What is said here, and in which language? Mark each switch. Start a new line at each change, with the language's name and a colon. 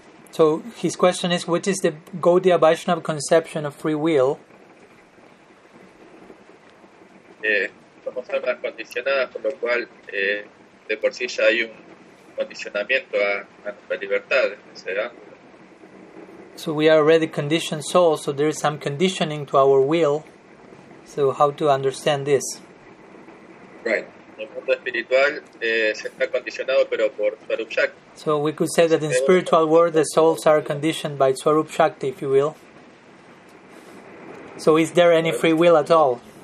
English: So his question is, which is the Gaudiya Vaishnava conception of free will?
Spanish: Somos almas condicionadas, por lo cual de por sí ya hay un condicionamiento a nuestra libertad.
English: So we are already conditioned souls, so there is some conditioning to our will. So how to understand this? Right.
Spanish: El mundo espiritual se está condicionado, pero por Swarup Shakti.
English: So we could say that in spiritual world, the souls are conditioned by Swarup Shakti, if you will. So is there any free will at all?